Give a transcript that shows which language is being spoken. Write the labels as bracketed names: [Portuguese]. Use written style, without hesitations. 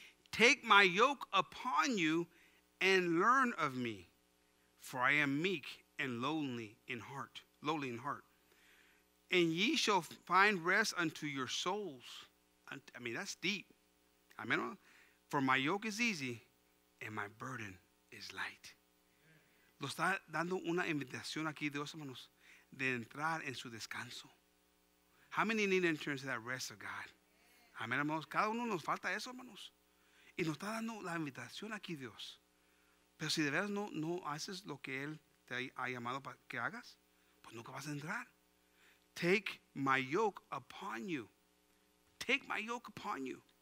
[English] Take my yoke upon you and learn of me, for I am meek and lowly in heart. And ye shall find rest unto your souls. I mean, that's deep. Amen. For my yoke is easy and my burden is light. [Spanish] Lo está dando una invitación aquí, Dios, hermanos, de entrar en su descanso. [English] How many need to enter into that rest of God? [Spanish] Amen, hermanos. Cada uno nos falta eso, hermanos. Y nos está dando la invitación aquí, Dios. Pero si de verdad no haces lo que Él te ha llamado para que hagas, pues nunca vas a entrar. [English] take my yoke upon you. Take my yoke upon you.